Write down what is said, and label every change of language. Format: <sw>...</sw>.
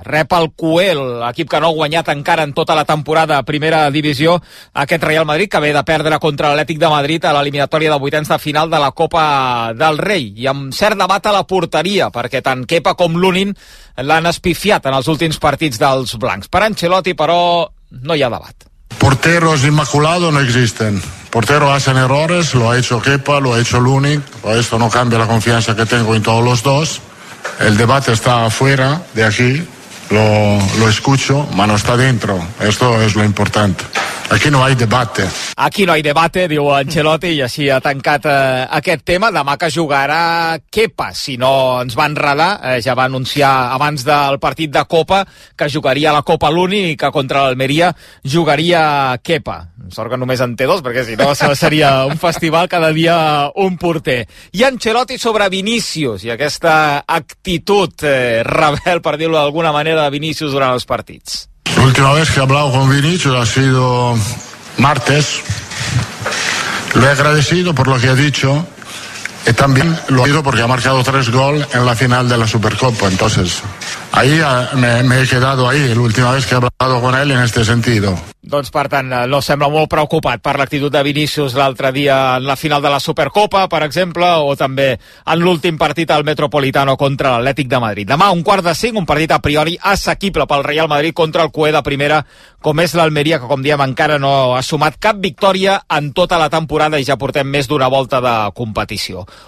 <ca>Rep el Cuel, l'equip que no ha guanyat encara en tota la temporada a primera divisió, aquest Real Madrid, que ve de perdre contra l'Atlètic de Madrid a l'eliminatòria de vuitens de final de la Copa del Rei. I amb cert debat a la porteria, perquè tant Kepa com Lunin l'han espifiat en els últims partits dels blancs. Per Ancelotti, però, no hi ha debat.</ca> <es>Porteros inmaculados no existen. Porteros hacen errores, lo ha hecho Kepa, lo ha hecho Lunin. Esto no cambia la confianza que tengo en todos los dos. El debate está afuera de aquí. Lo escucho, mano está dentro. Esto es lo importante. Aquí no hay debate. Aquí no hay debate,</es> <ca>diu Ancelotti, i així ha tancat aquest tema. Demà que jugarà Kepa, si no ens va enredar, ja va anunciar abans del partit de Copa que jugaria la Copa l'Uni i que contra l'Almeria jugaria Kepa. Sort que només en té dos, perquè si no seria un festival cada dia un porter. I Ancelotti sobre Vinícius i aquesta actitud rebel, per dir-ho d'alguna manera, de Vinícius durant els partits.</ca> <es>La última vez que he hablado con Vinicius ha sido martes. Lo he agradecido por lo que ha dicho y también lo he ido porque ha marcado tres goles en la final de la Supercopa. Entonces, ahí me he quedado ahí la última vez que he hablado con él en este sentido.</es> <ca>Doncs, per tant, no sembla molt preocupat per l'actitud de Vinicius l'altre dia en la final de la Supercopa, per exemple, o també en l'últim partit al Metropolitano contra l'Atlètic de Madrid. Demà, un quart de cinc, un partit a priori assequible pel Real Madrid contra el CUE de primera, com és l'Almeria, que, com diem, encara no ha sumat cap victòria en tota la temporada i ja portem més d'una volta de competició.</ca>